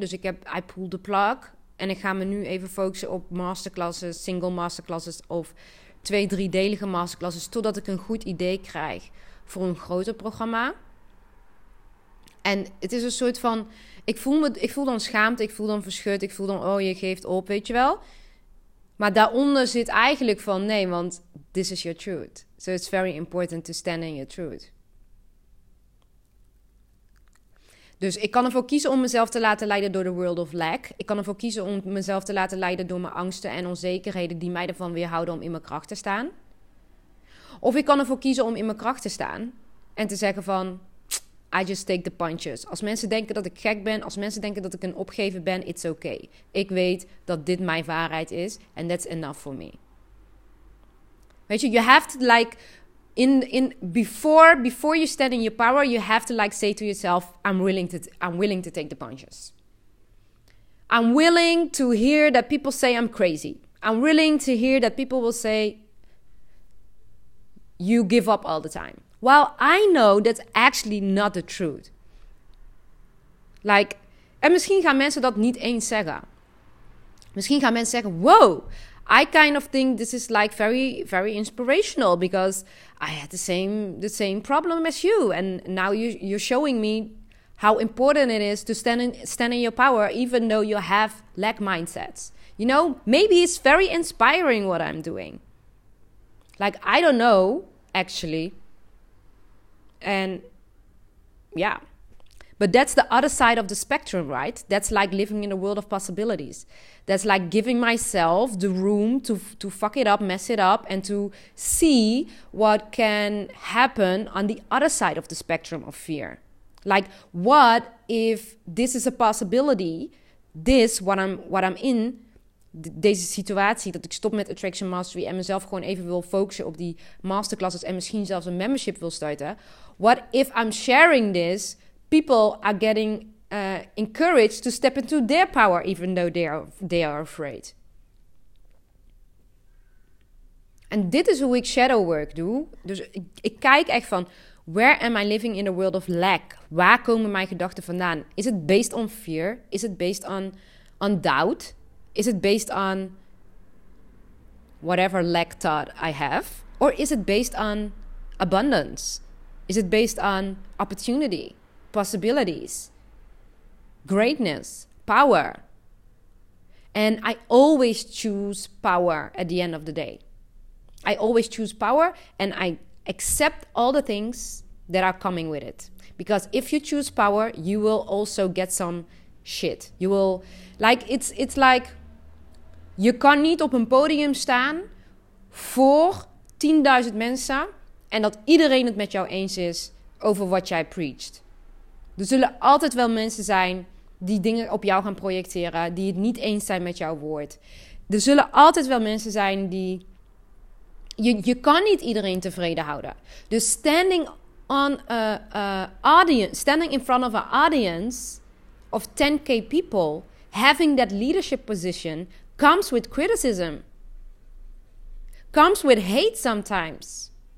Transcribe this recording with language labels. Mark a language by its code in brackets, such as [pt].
[nl] Dus ik heb, [en] I pull the plug. [nl] En ik ga me nu even focussen op masterclasses, single masterclasses of 2-3-delige masterclasses. Totdat ik een goed idee krijg voor een groter programma. En het is een soort van, ik voel dan schaamte, ik voel dan verschut, ik voel dan, oh, je geeft op, weet je wel. Maar daaronder zit eigenlijk van, nee, want [en] this is your truth. So it's very important to stand in your truth. [nl] Dus ik kan ervoor kiezen om mezelf te laten leiden door de world of lack. Ik kan ervoor kiezen om mezelf te laten leiden door mijn angsten en onzekerheden die mij ervan weerhouden om in mijn kracht te staan. Of ik kan ervoor kiezen om in mijn kracht te staan en te zeggen van, [en] I just take the punches. [nl] Als mensen denken dat ik gek ben, als mensen denken dat ik een opgever ben, [en] it's okay. [nl] Ik weet dat dit mijn waarheid is [en] and that's enough for me. [nl] Weet je, [en] you have to like, Before you stand in your power, you have to like say to yourself, I'm willing to take the punches. I'm willing to hear that people say I'm crazy. I'm willing to hear that people will say you give up all the time. Well, I know that's actually not the truth. [nl] Like, en misschien gaan mensen dat niet eens zeggen. Misschien gaan mensen zeggen, [en] wow, I kind of think this is like very, very inspirational because I had the same problem as you. And now you're showing me how important it is to stand in your power, even though you have lack mindsets. You know, maybe it's very inspiring what I'm doing. Like, I don't know, actually. And yeah. But that's the other side of the spectrum, right? That's like living in a world of possibilities. That's like giving myself the room to fuck it up, mess it up, and to see what can happen on the other side of the spectrum of fear. Like, what if this is a possibility? [nl] Deze situatie, dat ik stop met Attraction Mastery en mezelf gewoon even wil focussen op die masterclasses en misschien zelfs een membership wil starten. [en] What if I'm sharing this? People are getting encouraged to step into their power, even though they are afraid. [nl] En dit is hoe ik shadow work doe. Dus ik kijk echt van, [en] where am I living in a world of lack? [nl] Waar komen mijn gedachten vandaan? Is het [en] based on fear? Is het based on doubt? [nl] Is het [en] based on whatever lack thought I have? Or is it based on abundance? Is it based on opportunity, possibilities, greatness, power? And I always choose power at the end of the day. I always choose power and I accept all the things that are coming with it. Because if you choose power, you will also get some shit. You will, like, it's like, [nl] je kan niet op een podium staan voor 10.000 mensen en dat iedereen het met jou eens is over wat jij preacht. Er zullen altijd wel mensen zijn die dingen op jou gaan projecteren, die het niet eens zijn met jouw woord. Er zullen altijd wel mensen zijn die... Je kan niet iedereen tevreden houden. [en] Dus standing on a audience, standing in front of an audience of 10.000 people, having that leadership position, comes with criticism. Comes with hate sometimes.